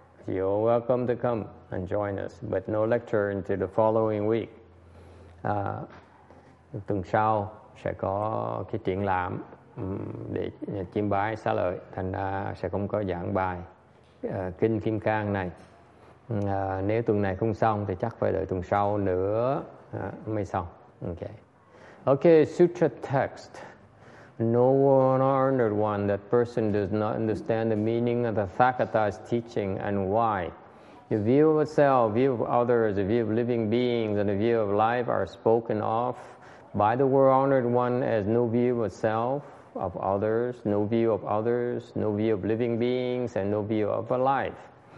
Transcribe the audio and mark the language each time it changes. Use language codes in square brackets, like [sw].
[en] You're welcome to come and join us, but no lecture until the following week. [vi] Tuần sau sẽ có cái triển lãm để chiêm bái xá lợi, thành ra sẽ không có giảng bài kinh Kim Cang này. Nếu tuần này không xong thì chắc phải đợi tuần sau nữa mới xong. [en] Okay. Okay, sutra text. No one honored one, that person does not understand the meaning of the Thakatha's teaching and why. The view of itself, view of others, the view of living beings, and the view of life are spoken of by the world honored one as no view of itself, of others, no view of others, no view of living beings, and no view of a life.